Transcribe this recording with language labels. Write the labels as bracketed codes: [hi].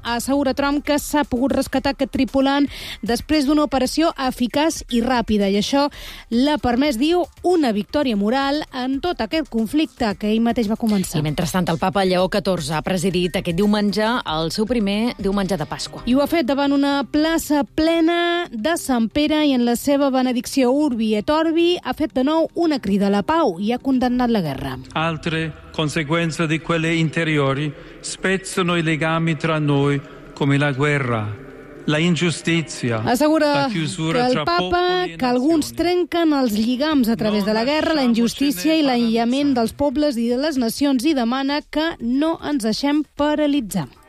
[ca] Assegura Trump que s'ha pogut rescatar aquest tripulant després d'una operació eficaç i ràpida, i això l'ha permès, diu, una victòria moral en tot aquest conflicte que ell mateix va començar. I mentrestant, el papa Lleó XIV ha presidit aquest diumenge el seu primer diumenge de Pasqua. I ho ha fet davant una plaça plena de Sant Pere i en la seva benedicció Urbi et Orbi ha fet de nou una crida a la pau i ha condemnat la guerra. [it] Altre conseqüenze di quelle interiori spezzano i legami tra noi come la guerra. [ca] La injustícia, assegura que el papa, que alguns trenquen els lligams a través de la guerra, la injustícia i l'aïllament dels pobles i de les nacions, i demana que no ens deixem paralitzar.